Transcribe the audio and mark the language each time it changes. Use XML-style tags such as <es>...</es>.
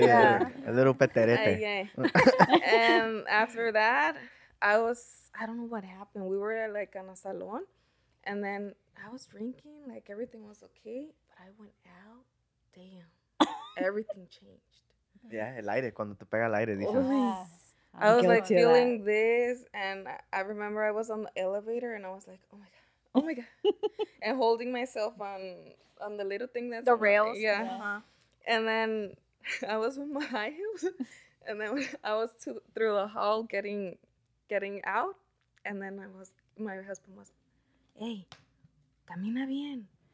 <en>Yeah. A little peterete. And after that, I don't know what happened. We were, like, on a salon, and then I was drinking, like, everything was okay, but I went out, damn, everything changed.</en> <es>Yeah, el aire, cuando te pega el aire, dice.</es> <en>I was, like, feeling this, and I remember I was on the elevator, and I was like, oh my God, and holding myself on the little thing that's the rails. Yeah. And then I was with my high heels, and then I was through the hall getting out, and then my husband was, hey,</en> <es>camina bien.</es>